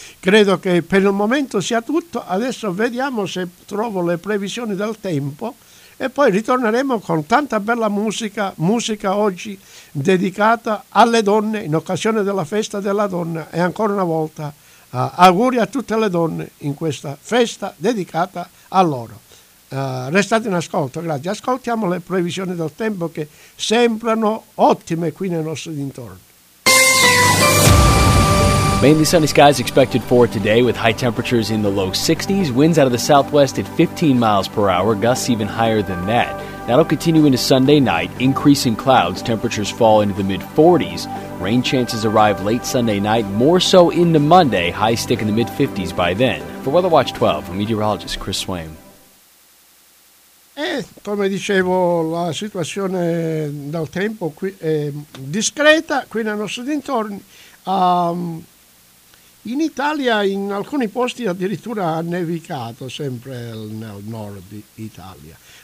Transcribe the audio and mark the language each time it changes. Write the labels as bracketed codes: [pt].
[it] Credo che per il momento sia tutto. Adesso vediamo se trovo le previsioni del tempo e poi ritorneremo con tanta bella musica, musica oggi dedicata alle donne in occasione della festa della donna. E ancora una volta auguri a tutte le donne in questa festa dedicata a loro. Restate in ascolto, grazie. Ascoltiamo le previsioni del tempo che sembrano ottime qui nei nostri dintorni. [en] Mainly sunny skies expected for today with high temperatures in the low 60s, winds out of the southwest at 15 miles per hour, gusts even higher than that. That'll continue into Sunday night, increasing clouds, temperatures fall into the mid-40s. Rain chances arrive late Sunday night, more so into Monday, highs stick in the mid-50s by then. For WeatherWatch 12, I'm meteorologist Chris Swaim. [it] Come dicevo, la situazione del tempo qui è discreta, qui nei nostri dintorni. In Italia, in alcuni posti, addirittura ha nevicato, sempre nel nord Italia.